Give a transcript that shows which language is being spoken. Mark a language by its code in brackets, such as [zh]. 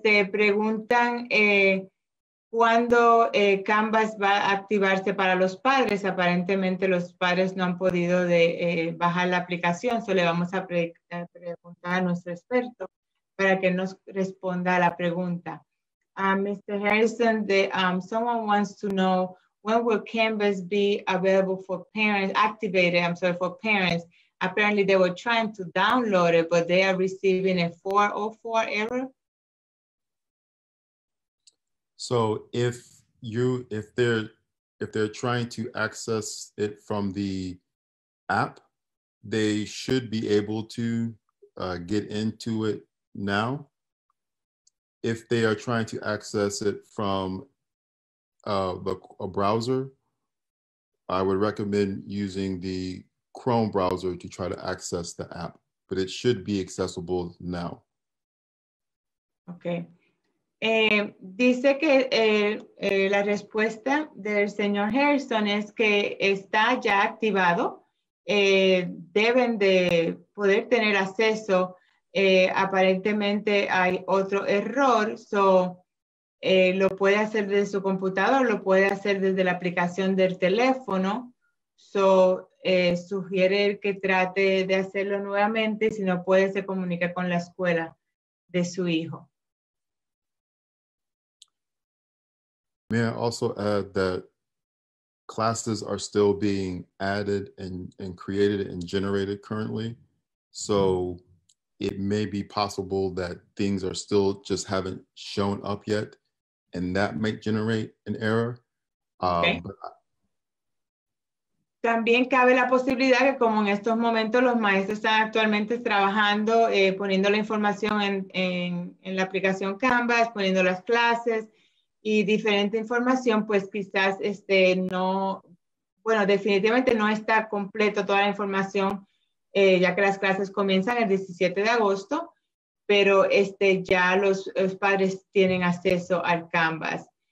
[es] Preguntan cuándo Canvas va a activarse para los padres. Aparentemente los padres no han podido bajar la aplicación, solo le vamos a preguntar a nuestro experto para que nos responda a la pregunta. [en] Mr. Harrison, someone wants to know, when will Canvas be available for parents, for parents? Apparently they were trying to download it, but they are receiving a 404 error. So if they're trying to access it from the app, they should be able to get into it now. If they are trying to access it from a browser, I would recommend using the Chrome browser to try to access the app, but it should be accessible now. Okay. [es] Dice que la respuesta del señor Harrison es que está ya activado. Deben de poder tener acceso. Aparentemente hay otro error. Lo puede hacer desde su computador, lo puede hacer desde la aplicación del teléfono. Sugiere que trate de hacerlo nuevamente. Si no puede, se comunica con la escuela de su hijo. [en] May I also add that classes are still being added and created and generated currently. So it may be possible that things are still just haven't shown up yet, and that might generate an error. [es] También cabe la posibilidad que, como en estos momentos los maestros están actualmente trabajando, poniendo la información en la aplicación Canvas, poniendo las clases y diferente información, pues quizás definitivamente no está completo toda la información, ya que las clases comienzan el 17 de agosto, pero ya los padres tienen acceso al Canvas.